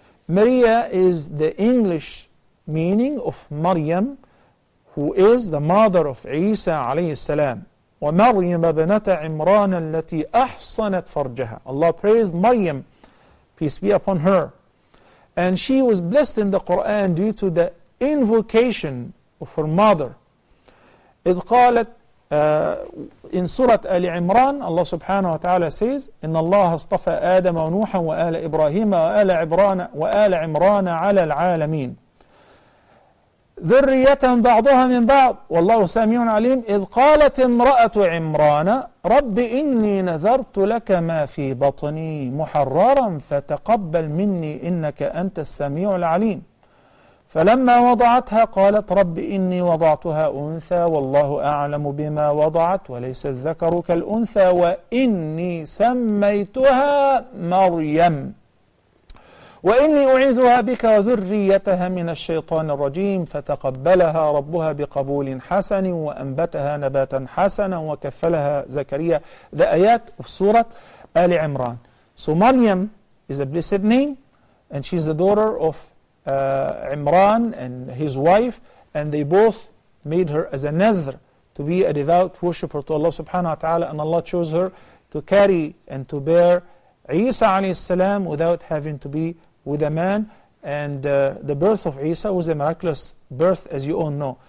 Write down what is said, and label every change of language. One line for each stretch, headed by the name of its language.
English: Maria is the English meaning of Maryam, who is the mother of Isa alayhi salam.
Arabic: وَمَرْيَمَ بَنَتَ عِمْرَانَ الَّتِي أَحْصَنَتْ فَرْجَهَا.
English: Allah praised Maryam, peace be upon her. And she was blessed in the Quran due to the invocation of her mother.
Arabic: إِذْ قَالَتْ
English: in Surah Ali Imran, Allah subhanahu wa ta'ala says,
Arabic: إِنَّ اللَّهَ اصْطَفَى آدَمَ وَنُوحًا وَآلَ إِبْرَاهِيمَ وَآلَ عِمْرَانَ عَلَى الْعَالَمِينَ ذُرِّيَّةً بَعْضُهَا مِنْ بَعْضٍ وَاللَّهُ سَمِيعٌ عَلِيمٌ إِذْ قَالَتِ امْرَأَةُ عِمْرَانَ رَبِّ إِنِّي نَذَرْتُ لَكَ مَا فِي بَطْنِي مُحَرَّرًا فَتَقَبَّلْ مِنِّي إِنَّكَ أَنْتَ السَّمِيعُ الْعَلِيمُ. فلما وضعتها قالت رب إني وضعتها أنثى والله أعلم بما وضعت وليس الذكر كالأنثى وإني سميتها مريم وإني أعيذها بك وذريتها من الشيطان الرجيم فتقبلها ربها بقبول حسن وأنبتها نباتا حسنا وكفلها زكريا. The آيات of سورة آل عمران.
English: So Maryam is a blessed name and she's the daughter of Imran and his wife, and they both made her as a nazr to be a devout worshipper to Allah subhanahu wa ta'ala, and Allah chose her to carry and to bear Isa alayhi salam without having to be with a man, and the birth of Isa was a miraculous birth, as you all know.